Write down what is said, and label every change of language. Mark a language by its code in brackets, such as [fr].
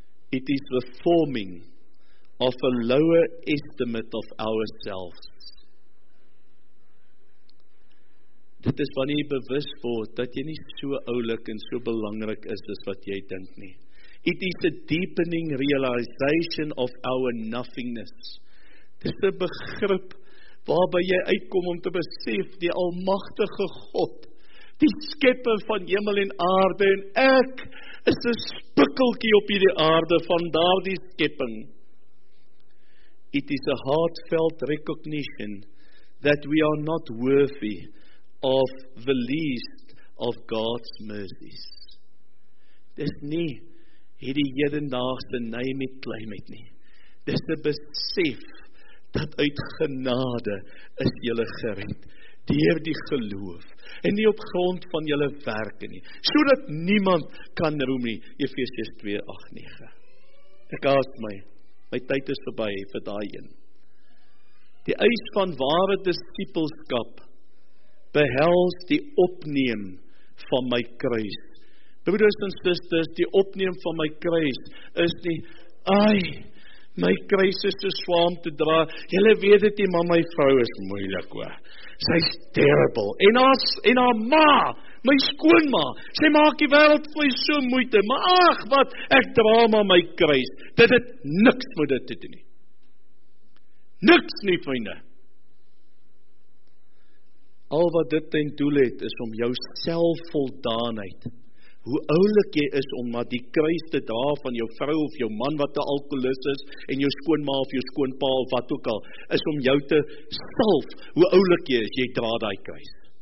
[en] It is the forming of a lower estimate of ourselves. [af] Dit is wanneer jy bewus word dat jy nie so oulik en so belangrik is as wat jy dink nie. [en] It is a deepening realization of our nothingness. [af] Dit is 'n begrip waarby jy uitkom om te besef die almagtige God, die skepper van hemel en aarde, en ek is 'n spikkeltjie op hierdie aarde van daardie skepping. [en] It is a heartfelt recognition that we are not worthy of the least of God's mercies. [af] Dis nie hierdie hedendaagse neem met kleimheid nie. Dis 'n besef dat uit genade is julle gered deur die geloof en nie op grond van julle werke nie, sodat niemand kan roem nie. Efesiërs 2:8-9. Ek haas my. My tyd is verby vir daai een. Die eis van ware disipelskap behels die opneem van my kruis. Broeders en susters, die opneem van my kruis is nie, ai, my kruis is te swaar om te dra. Julle weet dit nie, maar my vrou is moeilik hoor. Sy is terrible. En haar ma, my skoonma, sy maak die wêreld vir so moeite. Maar ag, wat, ek dra maar my kruis. Dit het niks met dit te doen nie. Niks nie, vriende. Al wat dit ten doel het, is om jou selfvoldaanheid, hoe oulik jy is om maar die kruis te dra van jou vrou of jou man wat 'n alkoholis is, en jou skoonma of jou skoonpa of wat ook al, is om jou te salf, hoe oulik jy is, jy dra daai kruis.